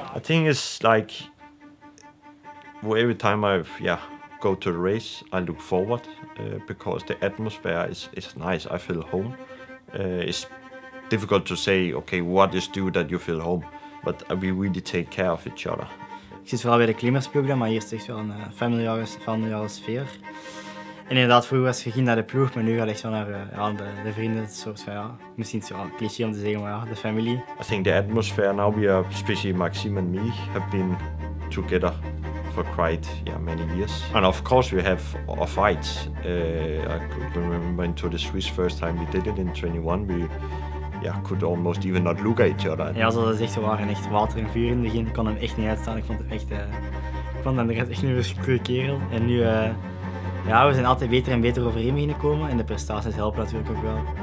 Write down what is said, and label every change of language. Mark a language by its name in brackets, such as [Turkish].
[English] I think it's like, well, every time I go to the race, I look forward because the atmosphere is nice. I feel home. It's difficult to say, okay, what is due that you feel home, but we really take care of each other. [Dutch] Ik zit vooral bij de klimmersprogramma, maar hier is echt wel een familiale sfeer. En inderdaad, vroeger was je ging naar de ploeg, maar nu ga je echt wel naar de vrienden. Het soort van, ja, misschien is het wel een cliché om te zeggen, maar ja, de familie. [English] I think the atmosphere now, we are, especially Maxime and me, have been together for quite many years. And of course we have our fights. I remember in Tour de Suisse, first time we did it in 21, we could almost even not look at each other. [Dutch] Ja, dat is echt, we waren echt water en vuur in het begin. Ik kon hem echt niet uitstaan. Ik vond hem echt een verschrikkelijke kerel. En nu, ja, we zijn altijd beter en beter overeen beginnen komen en de prestaties helpen natuurlijk ook wel.